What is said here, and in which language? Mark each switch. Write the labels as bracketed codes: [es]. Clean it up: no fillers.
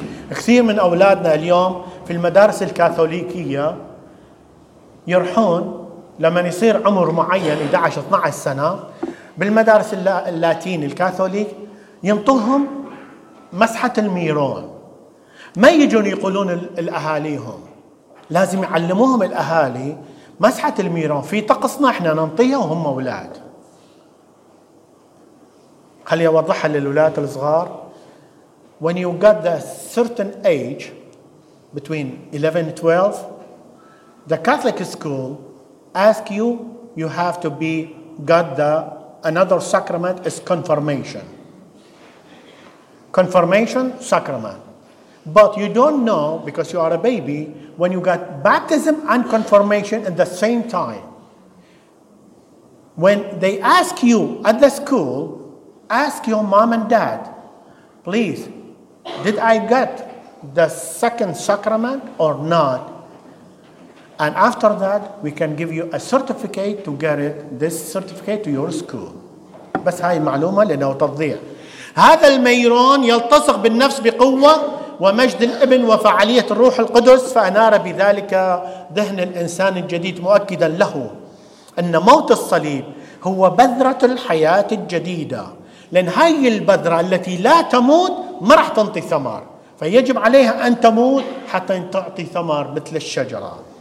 [ar] كثير من أولادنا اليوم في المدارس الكاثوليكية يرحون لما يصير عمر معين 11-12 سنة بالمدارس اللاتين الكاثوليك ينطوهم مسحة الميرون، ما يجون يقولون الأهاليهم، لازم يعلموهم الأهالي مسحة الميرون في طقسنا احنا ننطيها وهم اولاد. خلي اوضحها للاولاد الصغار. [en] When you got the certain age between 11-12 the Catholic school ask you you have to be got the another sacrament is confirmation. Confirmation sacrament. But you don't know because you are a baby when you got baptism and confirmation at the same time. When they ask you at the school, ask your mom and dad, please, did I get the second sacrament or not? And after that, we can give you a certificate to get it, this certificate to your school. [ar] بس هاي معلومة لأنه توضيع. هذا الميرون يلتصق بالنفس بقوة ومجد الابن وفعالية الروح القدس، فأنار بذلك ذهن الإنسان الجديد مؤكدا له أن موت الصليب هو بذرة الحياة الجديدة، لأن هاي البذرة التي لا تموت ما رح تنطي ثمر، فيجب عليها أن تموت حتى تعطي ثمر مثل الشجرة،